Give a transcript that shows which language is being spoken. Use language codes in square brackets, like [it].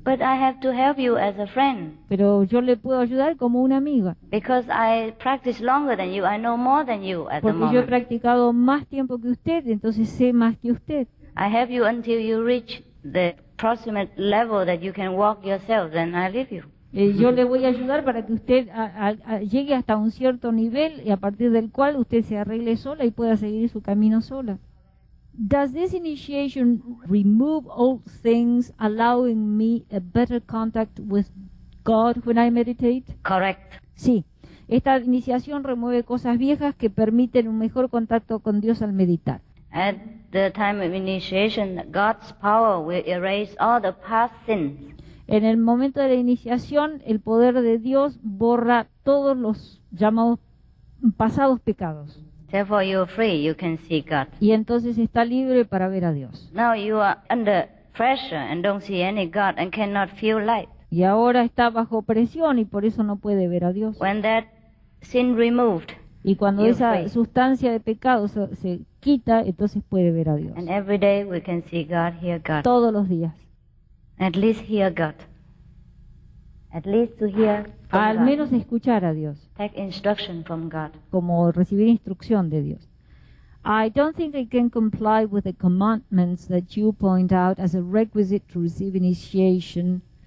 [en] But I have to help you as a friend. [es] Pero yo le puedo ayudar como una amiga. [en] Because I practice longer than you, I know more than you at [es] Porque [en] the moment. [es] Yo he practicado más tiempo que usted, entonces sé más que usted. [en] I have you until you reach the approximate level that you can walk yourself, then I leave you. [es] Yo le voy a ayudar para que usted llegue hasta un cierto nivel y a partir del cual usted se arregle sola y pueda seguir su camino sola. [en] Does this initiation remove old things, allowing me a better contact with God when I meditate? Correct. [es] Sí. Esta iniciación remueve cosas viejas que permiten un mejor contacto con Dios al meditar. [en] At the time of initiation, God's power will erase all the past sins. [es] En el momento de la iniciación, el poder de Dios borra todos los llamados pasados pecados. [en] Therefore, you are free. You can see God. [es] Y entonces está libre para ver a Dios. [en] Now you are under pressure and don't see any God and cannot feel light. [es] Y ahora está bajo presión y por eso no puede ver a Dios. [en] When that sin removed, [es] y cuando [en] you're [es] esa [en] free. [es] Sustancia de pecado se quita, entonces puede ver a Dios. [en] And every day we can see God, hear God. [es] Todos los días. [en] At least hear God. At least to hear from [es] Al menos [en] God. [es] Escuchar a Dios. [en] Take instruction from God. [es] Como recibir instrucción de Dios. [en] I don't think I can comply with the commandments that you point out as a requisite to receive initiation.